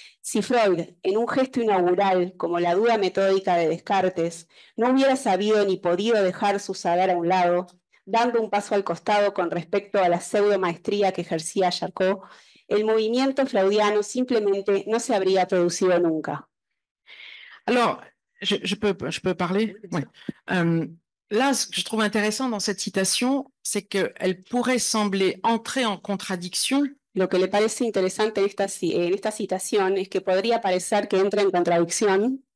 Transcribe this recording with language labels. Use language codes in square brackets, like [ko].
[es] Si Freud, en un gesto inaugural como la duda metódica de Descartes, no hubiera sabido ni podido dejar su saber a un lado, dando un paso al costado con respecto a la pseudomaestría que ejercía Charcot, el movimiento freudiano simplemente no se habría producido nunca. [fr] Alors, je peux parler. Oui. Là, ce que je trouve intéressant dans cette citation, c'est qu'elle pourrait sembler entrer en contradiction. [es] Lo que le parece interesante en esta citación es que podría parecer que entra en contradicción